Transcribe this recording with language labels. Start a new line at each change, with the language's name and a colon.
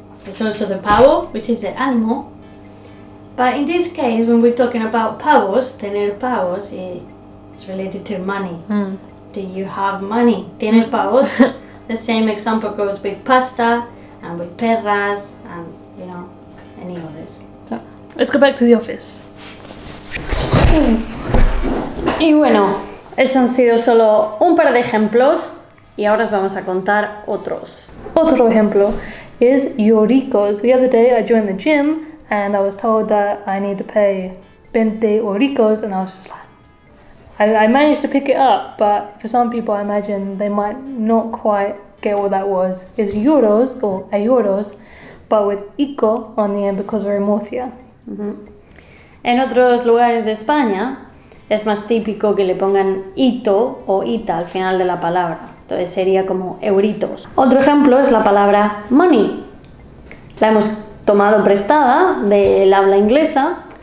English: It's also the pavo, which is the animal. But in this case, when we're talking about pavos,
Spanish: tener pavos,
English: it's related to money. Mm. Do you have money?
Spanish: ¿Tienes pavos?
English: The same example goes with pasta and with perras and, you know, any others. So, let's go back to the office.
Spanish: Y bueno, esos han sido solo un par de ejemplos y ahora os vamos a contar otros. Otro ejemplo es euricos.
English: The other day I joined the gym and I was told that I need to pay 20 euricos and I was just like, I managed to pick it up, but for some people I imagine they might not quite get what that was. It's euros or euros, but with ico on the end because we're in Murcia.
Spanish: En otros lugares de España es más típico que le pongan ito o ita al final de la palabra. Entonces sería como euritos. Otro ejemplo es la palabra money. La hemos tomado prestada del habla inglesa.